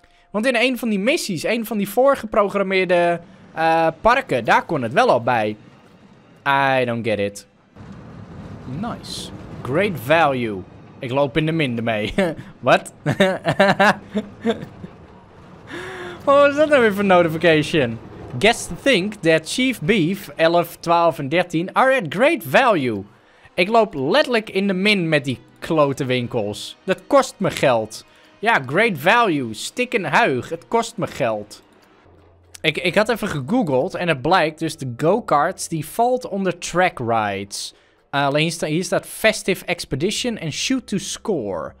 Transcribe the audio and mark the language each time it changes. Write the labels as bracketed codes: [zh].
[nl] Want in een van die missies, een van die voorgeprogrammeerde parken, daar kon het wel al bij. [en] I don't get it. Nice. Great value. [nl] Ik loop in de minder mee. Wat? Oh, wat is dat nou weer voor notification? [en] Guests think that Chief Beef 11, 12 en 13 are at great value. [nl] Ik loop letterlijk in de min met die klote winkels. Dat kost me geld. Ja, [en] great value. [nl] Stik en huig. Het kost me geld. Ik had even gegoogeld en het blijkt dus de go-karts die valt onder track rides. Alleen hier staat Festive Expedition en Shoot to Score.